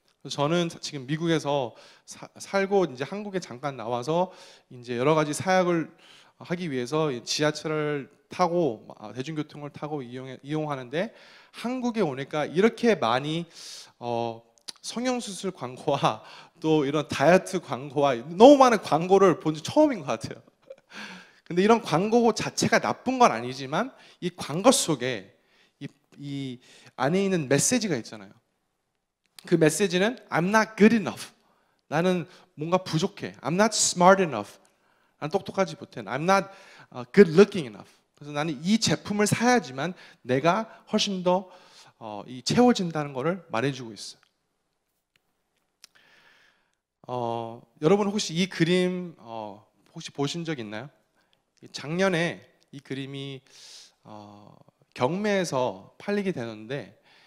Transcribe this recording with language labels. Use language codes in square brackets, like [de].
[ko] 저는 지금 미국에서 살고 이제 한국에 잠깐 나와서 이제 여러 가지 사역을 하기 위해서 지하철을 타고 대중교통을 타고 이용하는데 한국에 오니까 이렇게 많이 성형수술 광고와 또 이런 다이어트 광고와 너무 많은 광고를 본 지 처음인 것 같아요. 근데 이런 광고 자체가 나쁜 건 아니지만 이 광고 속에 이 안에 있는 메시지가 있잖아요. 그 메시지는 [en] I'm not good enough. [ko] 나는 뭔가 부족해. [en] I'm not smart enough. [ko] 난 똑똑하지 못해. [en] I'm not good looking enough. [ko] 그래서 나는 이 제품을 사야지만 내가 훨씬 더 채워진다는 것을 말해주고 있어요. 여러분 혹시 이 그림 혹시 보신 적 있나요? 작년에 이 그림이 경매에서 팔리게 되는데